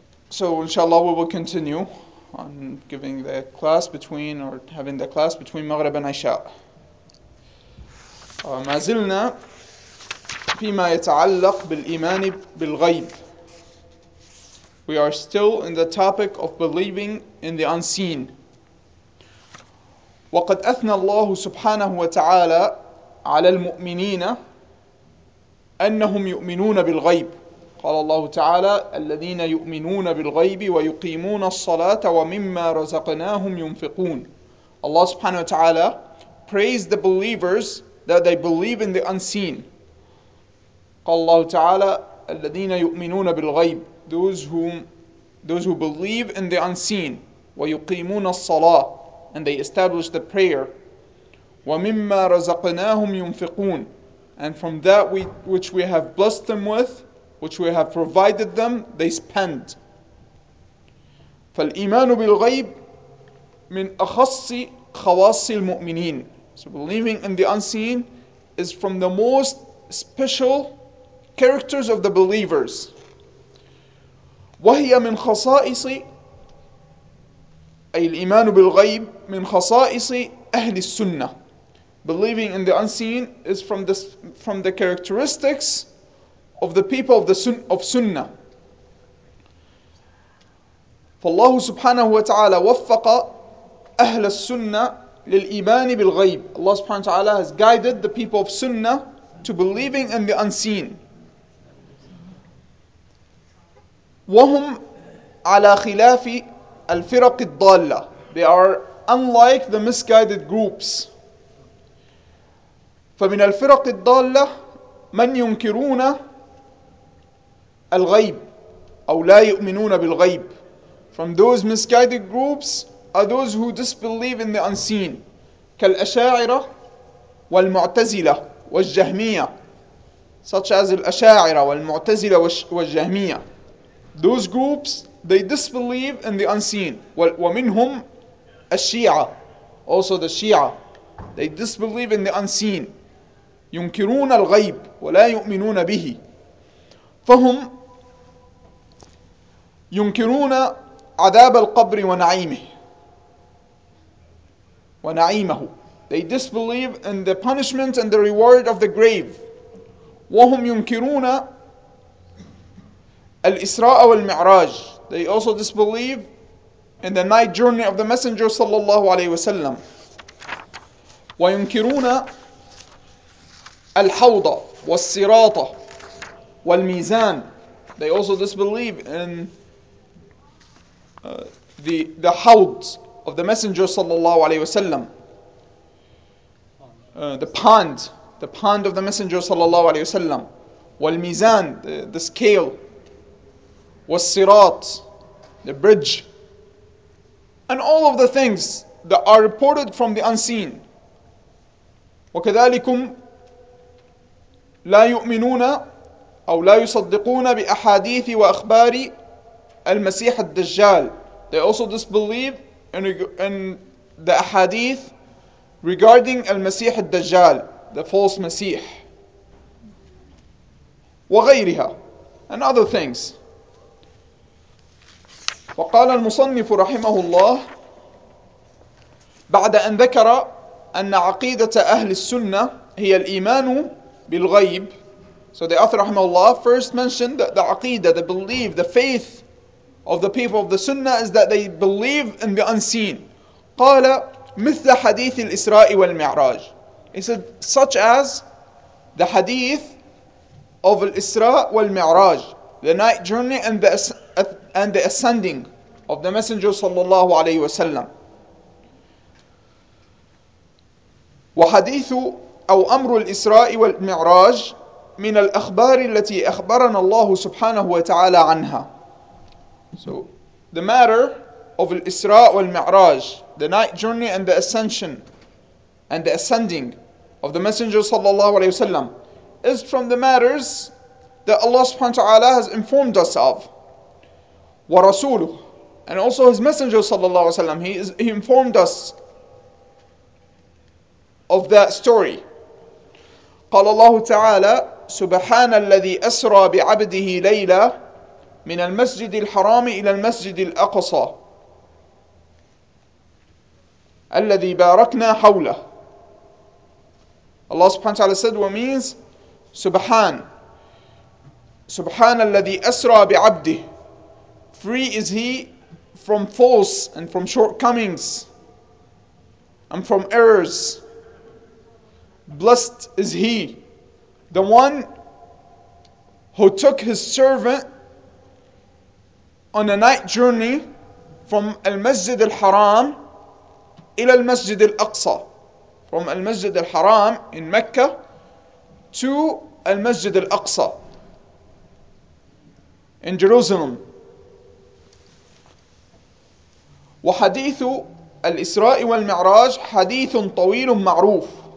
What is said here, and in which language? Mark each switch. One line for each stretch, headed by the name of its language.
English: So inshallah we will continue on giving the class between or having the class between Maghrib and Isha.
Arabic: ما زلنا فيما يتعلق بالإيمان بالغيب.
English: We are still in the topic of believing in the unseen.
Arabic: وقد أثنى الله سبحانه وتعالى على المؤمنين أنهم يؤمنون بالغيب. قال الله تعالى الذين يؤمنون بالغيب ويقيمون الصلاة ومما رزقناهم ينفقون.
English: الله سبحانه وتعالى praise the believers that they believe in the unseen.
Arabic: قال الله تعالى الذين يؤمنون بالغيب
English: those who believe in the unseen
Arabic: ويقيمون الصلاة
English: and they establish the prayer
Arabic: ومما رزقناهم ينفقون
English: and from that which we have blessed them with which we have provided them, they spend.
Arabic: فالإيمان بالغيب من أخص خواص المؤمنين.
English: So believing in the unseen is from the most special characters of the believers.
Arabic: وهي من خصائص أي الإيمان بالغيب من خصائص أهل السنة.
English: Believing in the unseen is from the characteristics of the people of sunnah.
Arabic: فالله سبحانه وتعالى وفق أهل السنة للإيمان بالغيب.
English: Allah سبحانه وتعالى has guided the people of sunnah to believing in the unseen.
Arabic: وهم على خلاف الفرق الضالة.
English: They are unlike the misguided groups.
Arabic: فمن الفرق الضالة من ينكرون الغيب أو لا يؤمنون بالغيب.
English: From those misguided groups are those who disbelieve in the unseen.
Arabic: كالأشاعرة والمعتزلة والجهمية.
English: Such as الأشاعرة والمعتزلة والجهمية. Those groups, they disbelieve in the unseen.
Arabic: ومنهم الشيعة.
English: Also the Shia. They disbelieve in the unseen.
Arabic: ينكرون الغيب ولا يؤمنون به. فهم ينكرون عذاب القبر ونعيمه ونعيمه.
English: They disbelieve in the punishment and the reward of the grave.
Arabic: وهم ينكرون الإسراء والمعراج.
English: They also disbelieve in the night journey of the messenger صلى الله عليه وسلم.
Arabic: وينكرون الحوض والصراط والميزان.
English: They also disbelieve in the حوض of the messenger صلى الله عليه وسلم the pond of the messenger صلى الله عليه وسلم والميزان the scale والصراط the bridge and all of the things that are reported from the unseen وكذلكم
Arabic: لا يؤمنون أو لا يصدقون بأحاديث وأخبار المسيح الدجال.
English: They also disbelieve in the ahadith regarding المسيح الدجال, the false مسيح, وغيرها, and other things.
Arabic: وقال المصنف رحمه الله بعد أن ذكر أن عقيدة أهل السنة هي الإيمان بالغيب.
English: So the author رحمه الله first mentioned that the aqidah, the belief, the faith of the people of the sunnah is that they believe in the unseen.
Arabic: قال مثل حديث الإسراء والمعراج.
English: He said such as the hadith of الإسراء والمعراج, the night journey and the ascending of the messenger صلى الله عليه وسلم.
Arabic: وحديث أو أمر الإسراء والمعراج من الأخبار التي أخبرنا الله سبحانه وتعالى عنها.
English: So the matter of الإسراء والمعراج, the night journey and the ascension and the ascending of the messenger صلى الله عليه وسلم, is from the matters that Allah سبحانه وتعالى has informed us of. ورسوله, and also his messenger صلى الله عليه وسلم, he informed us of that story.
Arabic: قال الله تعالى سبحان الذي أسرى بعبده ليلا من المسجد الحرام إلى المسجد الأقصى الذي باركنا حوله. الله سبحانه وتعالى
English: said what means
Arabic: سبحان الذي أسرى بعبده.
English: Free is he from faults and from shortcomings and from errors. Blessed is he, the one who took his servant on a night journey from al-Masjid al-Haram ila al-Masjid al-Aqsa, from al-Masjid al-Haram in Mecca to al-Masjid al-Aqsa in Jerusalem.
Arabic: وحديث الإسراء والمعراج حديث طويل معروف.